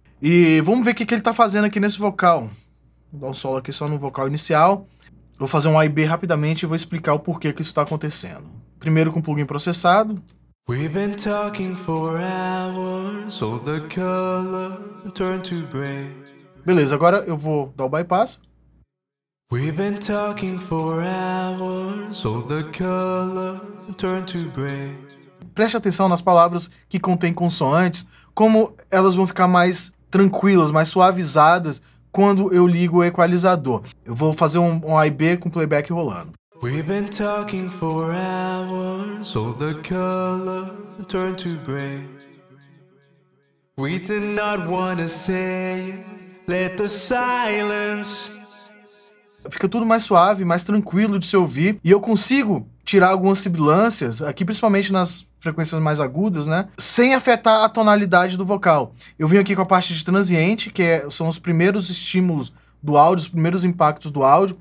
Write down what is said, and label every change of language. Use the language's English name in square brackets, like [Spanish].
[Portuguese] E vamos ver o que ele tá fazendo aqui nesse vocal. Vou dar um solo aqui só no vocal inicial. Vou fazer um A e B rapidamente e vou explicar o porquê que isso tá acontecendo. Primeiro com o plugin processado. [English] We've been talking for hours, so the color turned to gray. [Portuguese] Beleza, agora eu vou dar o bypass. [English] We've been talking for hours, so the color turned to gray. [Portuguese] Preste atenção nas palavras que contêm consoantes, como elas vão ficar mais tranquilas, mais suavizadas quando eu ligo o equalizador. Eu vou fazer um A e B com playback rolando. [English] We've been talking for hours, so the color turned to gray. We did not want to say it, let the silence. [Portuguese] Fica tudo mais suave, mais tranquilo de se ouvir. E eu consigo tirar algumas sibilâncias aqui, principalmente nas frequências mais agudas, né? Sem afetar a tonalidade do vocal. Eu vim aqui com a parte de transiente, que são os primeiros estímulos do áudio, os primeiros impactos do áudio.